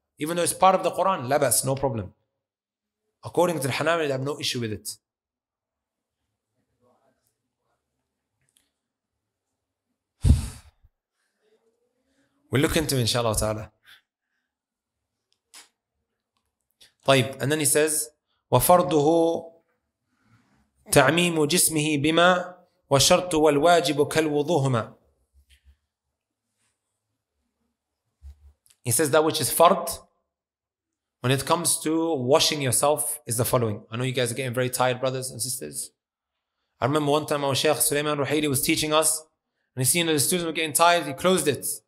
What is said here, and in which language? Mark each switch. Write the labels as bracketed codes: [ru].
[en] Even though it's part of the Quran, labas, no problem. According to the Hanabi, they have no issue with it. We'll look into it, inshallah ta'ala. [ar] طيب, [en] and then he says, [ar] وَفَرْضُهُ تَعْمِيمُ جِسْمِهِ بِمَا وَشَرْطُ وَالْوَاجِبُ كَالْوُضُوهُمَا. [en] He says that which is fard, when it comes to washing yourself, is the following. I know you guys are getting very tired, brothers and sisters. I remember one time our Shaykh Sulaiman Ruhaili was teaching us, and he seen that the students were getting tired, he closed it.